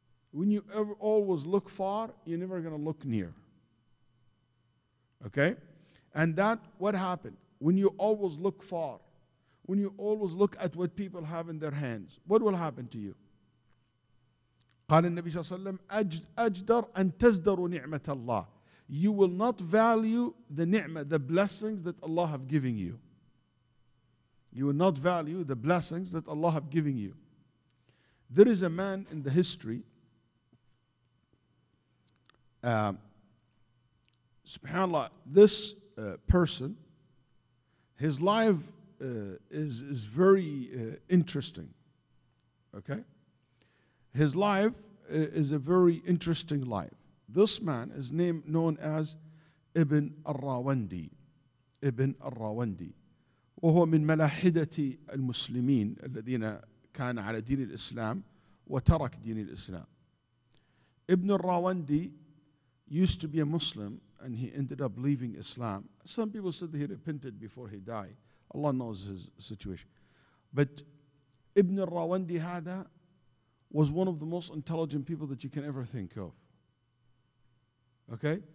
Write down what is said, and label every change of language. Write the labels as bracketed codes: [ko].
[en] When you ever always look far, you're never going to look near. Okay? And that, what happened? When you always look far, when you always look at what people have in their hands, what will happen to you? [ar] قال النبي صلى الله عليه وسلم أجدر أن تزدر نعمة الله. [en] You will not value the ni'mah, the blessings that Allah have given you. You will not value the blessings that Allah have given you. There is a man in the history. SubhanAllah, this person His life is very interesting. Okay? His life is a very interesting life. This man is named known as Ibn al-Rawandi. Ibn al-Rawandi. [ar] وهو من ملاحدة المسلمين الذين كان على دين الإسلام وترك دين الإسلام. [en] Ibn al-Rawandi used to be a Muslim and he ended up leaving Islam. Some people said that he repented before he died. Allah knows his situation. But Ibn al-Rawandi هذا was one of the most intelligent people that you can ever think of. Okay?